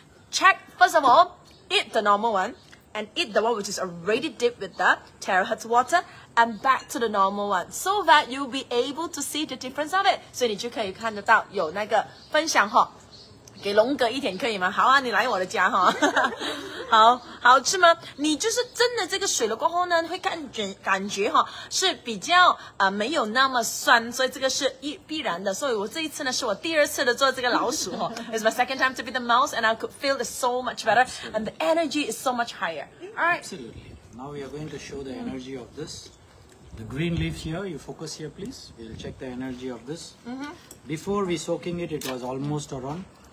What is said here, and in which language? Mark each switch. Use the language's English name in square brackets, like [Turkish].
[English] Check, first of all, eat the normal one, and eat the one which is already dipped with the terahertz water, and back to the normal one, so that you'll be able to see the difference of it. [Chinese] 所以你就可以看得到有那个分享哈，给龙哥一点可以吗？好啊，你来我的家哈。好好吃吗？你就是蒸了这个水了过后呢，会感觉哈是比较没有那么酸，所以这个是必然的。所以我这一次呢，是我第二次的做这个老鼠哈。 [English] It's my second time to be the mouse, and I could feel it so much better, and the energy is so much higher. All right. Absolutely. Now we are going to show the energy of this. The green leaf here. You focus here, please. We'll check the energy of this. Before we soaking it, it was almost around.